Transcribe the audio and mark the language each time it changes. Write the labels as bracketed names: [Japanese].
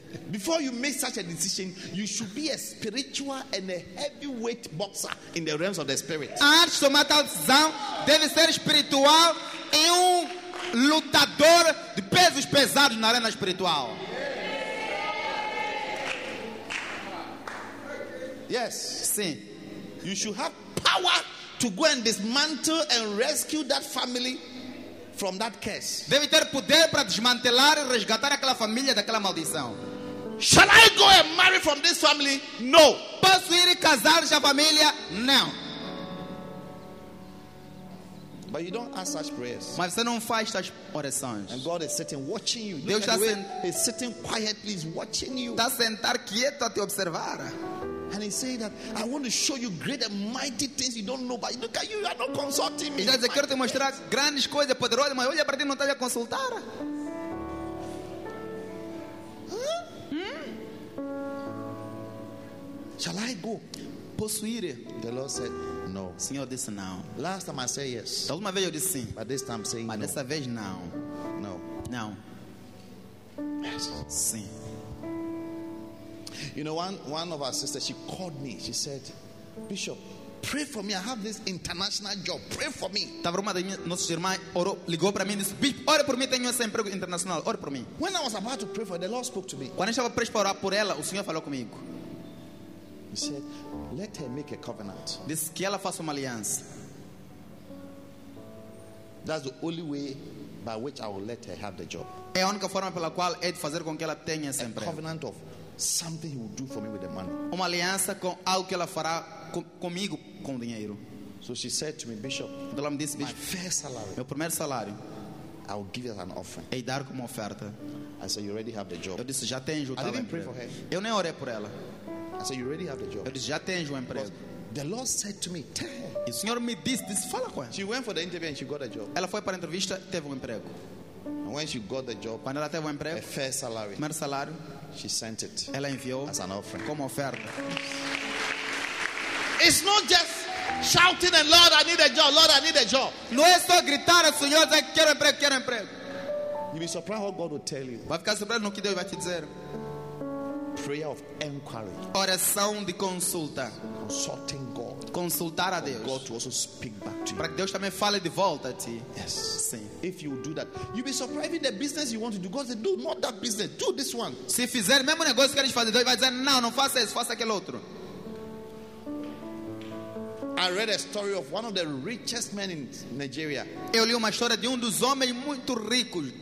[English] Before you make such a decision, you should be a spiritual and a heavyweight boxer in the realms of the spirit. [Portuguese] Antes de tomar tal decisão, deve ser espiritual e um lutador de pesos pesados na arena espiritual. [English] Yes. [Portuguese] Sim. [English] You should have power to go and dismantle and rescue that family from that curse. [Portuguese] Deve ter poder para desmantelar e resgatar aquela família daquela maldição. [English] Shall I go and marry from this family? No. [Portuguese] Posso ir e casar com a família? Não. [English] But you don't ask such prayers. [Portuguese] Mas você não faz tais orações. [English] And God is sitting watching you. [Portuguese] Deus está [English] is sitting quietly watching you. [Portuguese] Está sentado quieto a te observar. [English] And he said that I want to show you great and mighty things you don't know, but look at you are not consulting me. [Portuguese] Ele disse, quero te mostrar grandes coisas poderosas, mas olha para ti, não está a consultar. [English] Shall I go? [Portuguese] Posso ir? [English] The Lord said no. [Portuguese] Senhor disse não. [English] Last time I said yes. [Portuguese] Da última vez eu disse sim. [English] But this time I'm saying [Portuguese] mas [English] no. [Portuguese] Dessa vez não. [English] No. [Portuguese] Não. [English] Yes. [Portuguese] Sim. [English] You know, one of our sisters, she called me. She said, Bishop, pray for me. I have this international job. Pray for me. [Portuguese] Tava uma das nossas irmãs ligou para mim e disse, Bishop, ore por mim, tenho esse emprego internacional. Ore por mim. [English] When I was about to pray for her, the Lord spoke to me. [Portuguese] Quando eu estava prestes para orar por ela, o Senhor falou comigo. [English] He said, let her make a covenant. [Portuguese] Disse que ela faça uma aliança. [English] That's the only way by which I will let her have the job. [Portuguese] É a única forma pela qual é de fazer com que ela tenha esse emprego. [English] A covenant of something he will do for me with the money. [Portuguese] Uma aliança com algo que ela fará comigo com o dinheiro. [English] So she said to me, Bishop, [Portuguese] ela me disse, [English] my first salary, [Portuguese] meu primeiro salário, [English] I will give as an offering. [Portuguese] É dar como oferta. [English] I said, you already have the job. [Portuguese] Eu disse, já tenho o trabalho. [English] I didn't pray for her. [Portuguese] Eu nem orei por ela. [English] I said, you already have the job. [Portuguese] Eu disse, já tenho o emprego. [English] The Lord said to me, tell her. [Portuguese] E o Senhor me disse, fala com ela. [English] She went for the interview and she got a job. [Portuguese] Ela foi para a entrevista, teve um emprego. [English] And when she got the job, [Portuguese] quando ela teve um emprego, [English] a first salary, [Portuguese] primeiro salário, [English] she sent it. [Portuguese] Ela enviou [English] as an offering. [Portuguese] Como oferta. [English] It's not just shouting and Lord, I need a job. Lord, I need a job. [Portuguese] Não é só gritar ao Senhor, dizer quero emprego, quero emprego. [English] You'll be surprised what God will tell you. [Portuguese] Vai ficar surpreso no que Deus vai te dizer. [English] Prayer of inquiry. [Portuguese] Oração de consulta. [English] Consulting God. [Portuguese] Consultar a Deus. [English] God to also speak back to you. [Portuguese] Para que Deus também fale de volta a ti. [English] Yes. [Portuguese] Sim. [English] If you do that, you'll be surprised if the business you want to do, God said, do not that business, do this one. [Portuguese] Se fizer mesmo negócio que eles fazem, Deus vai dizer, não, não faça isso, faça aquele outro. [English] I read a story of one of the richest men in Nigeria. [Portuguese] Eu li uma história de dos homens muito ricos.